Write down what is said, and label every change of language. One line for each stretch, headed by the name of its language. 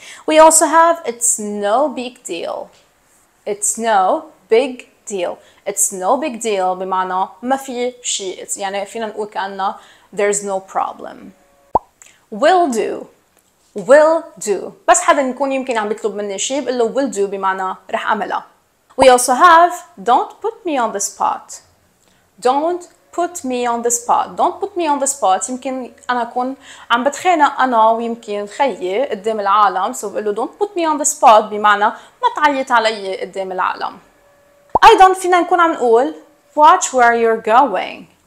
English: We also have it's no big deal. It's no big deal. It's no big deal
Arabic: بمعنى ما في شيء. يعني فينا نقول كأننا
English: there's no problem. Will do. Will do.
Arabic: بس حدا يكون يمكن عم بيطلب مني شيء بقول له
English: will do
Arabic: بمعنى رح أعمله.
English: We also have don't put me on the spot. Don't put me on the spot. Don't put me on the spot.
Arabic: يمكن أنا أكون عم بتخانق أنا ويمكن خيي قدام العالم. So بقول له
English: don't put me on the spot
Arabic: بمعنى ما تعيط علي قدام العالم. أيضا فينا نكون عم نقول
English: watch where you're going.